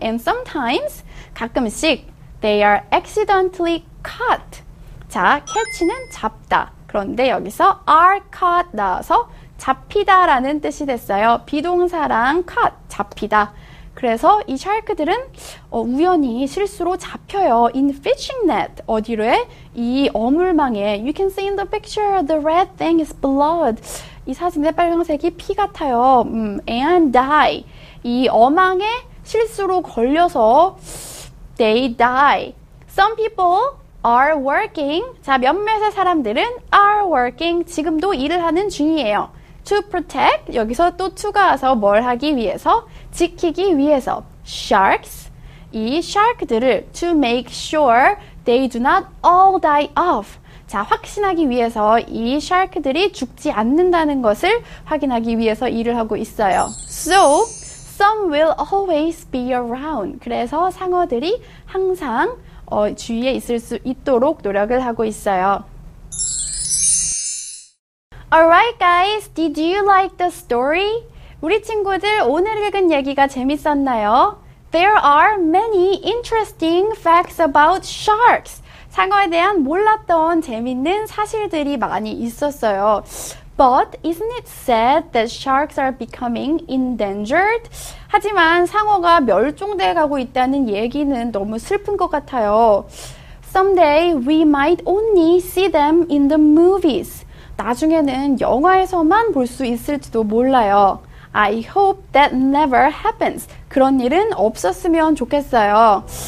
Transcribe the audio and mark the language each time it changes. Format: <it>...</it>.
<en>And sometimes,</en> <ko>가끔씩</ko> <en>they are accidentally caught.</en> <ko>자, catch는 잡다. 그런데 여기서</ko> <en>are caught</en> <ko>나와서 잡히다 라는 뜻이 됐어요. 비동사랑 caught, 잡히다. 그래서 이 샤크들은 우연히 실수로 잡혀요.</ko> <en>In fishing net,</en> <ko>어디로에? 이 어물망에.</ko> <en>You can see in the picture, the red thing is blood.</en> <ko>이 사진의 빨간색이 피 같아요.</ko> <en>And die.</en> <ko>이 어망에 실수로 걸려서</ko> <en>they die. Some people are working. 자,</en> <ko>몇몇의 사람들은</ko> <en>are working.</en> <ko>지금도 일을 하는 중이에요.</ko> <en>To protect.</en> <ko>여기서 또 추가해서 뭘 하기 위해서? 지키기 위해서.</ko> <en>Sharks.</en> <ko>이 shark들을</ko> <en>to make sure they do not all die off.</en> <ko>자, 확신하기 위해서 이 shark들이 죽지 않는다는 것을 확인하기 위해서 일을 하고 있어요.</ko> <en>So, some will always be around.</en> <ko>그래서 상어들이 항상 주위에 있을 수 있도록 노력을 하고 있어요.</ko> <en>Alright guys, did you like the story?</en> <ko>우리 친구들 오늘 읽은 얘기가 재밌었나요?</ko> <en>There are many interesting facts about sharks.</en> <ko>상어에 대한 몰랐던 재밌는 사실들이 많이 있었어요.</ko> <en>But isn't it sad that sharks are becoming endangered?</en> <ko>하지만 상어가 멸종되어 가고 있다는 얘기는 너무 슬픈 것 같아요.</ko> <en>Someday we might only see them in the movies.</en> <ko>나중에는 영화에서만 볼 수 있을지도 몰라요.</ko> <en>I hope that never happens.</en> <ko>그런 일은 없었으면 좋겠어요.</ko>